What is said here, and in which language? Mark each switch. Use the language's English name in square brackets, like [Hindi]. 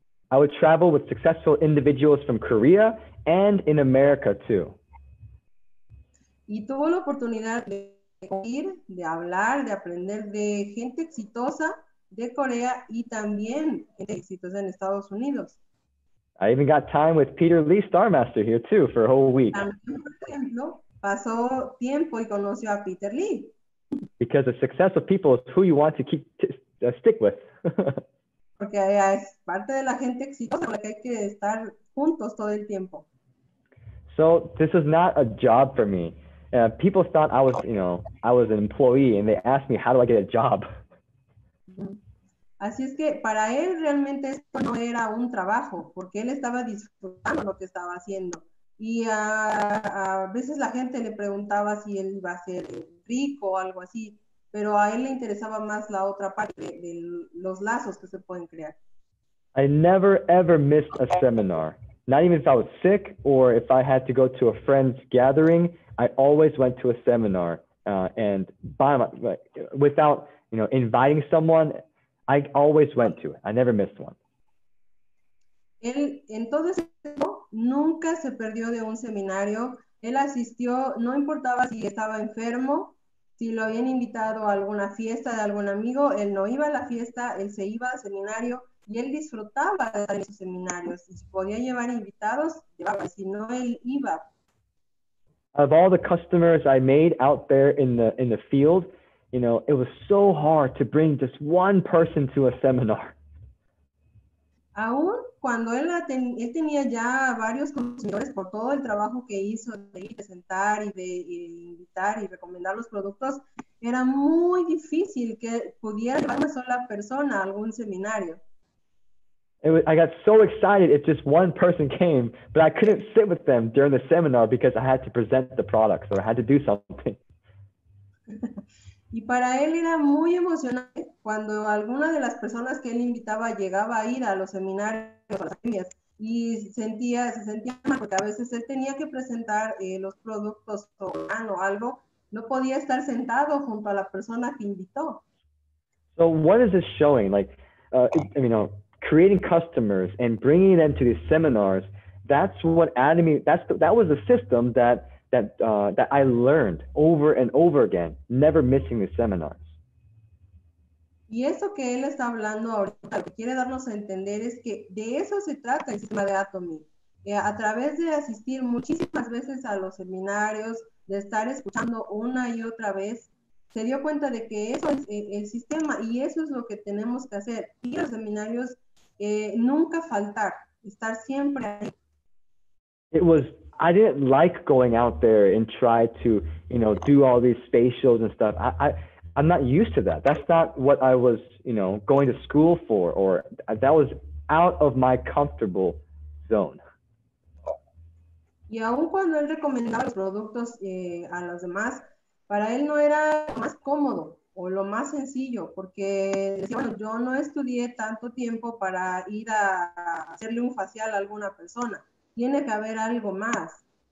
[English] I would travel with successful individuals from Korea and in America too. [Spanish] Y tuvo la oportunidad de ir, de hablar, de aprender de gente exitosa de Corea y también gente exitosa en Estados Unidos. [English] I even got time with Peter Lee Starmaster here too for a whole week. [Spanish] También, por ejemplo, pasó tiempo y conoció a Peter Lee. [English] Because the success of people is who you want to keep stick with. [Spanish] Porque es parte de la gente exitosa con la que hay que estar juntos todo el tiempo. [English] So this is not a job for me. People thought I was, you know, I was an employee, and they asked me, how do I get a job? [Spanish] Así es que para él realmente esto no era un trabajo, porque él estaba disfrutando lo que estaba haciendo. Y a veces la gente le preguntaba si él iba a ser rico o algo así, pero a él le interesaba más la otra parte de los lazos que se pueden crear. [English] I never ever missed a seminar. Not even if I was sick or if I had to go to a friend's gathering, I always went to a seminar and without, you know, inviting someone, I always went to it. I never missed one. [Spanish] Él en todo ese tiempo nunca se perdió de un seminario. Él asistió, no importaba si estaba enfermo, si lo habían invitado a alguna fiesta de algún amigo, él no iba a la fiesta, él se iba al seminario. Y él disfrutaba de estar en sus seminarios. Y si podía llevar invitados, llevaba. Si no, él iba. [English] Of all the customers I made out there in the field, you know, it was so hard to bring just one person to a seminar. [Spanish] Aún cuando él tenía ya varios consumidores por todo el trabajo que hizo de presentar y de invitar y recomendar los productos, era muy difícil que pudiera llevar una sola persona a algún seminario. [English] I got so excited if just one person came, but I couldn't sit with them during the seminar because I had to present the products or I had to do something. [Spanish] Y para él era muy emocionante cuando alguna de las personas que él invitaba llegaba a ir a los seminarios o las academias y se sentía mal porque a veces él tenía que presentar los productos o algo, no podía estar sentado junto a la persona que invitó. [English] So what is this showing? Like, creating customers and bringing them to these seminars, that was a system that I learned over and over again, never missing the seminars. [Spanish] Y eso que él está hablando ahorita, lo que quiere darnos a entender es que de eso se trata el sistema de Atomy. A través de asistir muchísimas veces a los seminarios, de estar escuchando una y otra vez, se dio cuenta de que eso es el sistema y eso es lo que tenemos que hacer. Y los seminarios nunca faltar, estar siempre ahí. [English] I didn't like going out there and try to, you know, do all these facials and stuff. I'm not used to that. That's not what I was, you know, going to school for, or that was out of my comfortable zone. [Spanish] Y aun cuando él recomendaba los productos a los demás, para él no era más cómodo o lo más sencillo, porque decía, bueno, yo no estudié tanto tiempo para ir a hacerle un facial a alguna persona. Tiene que haber algo más.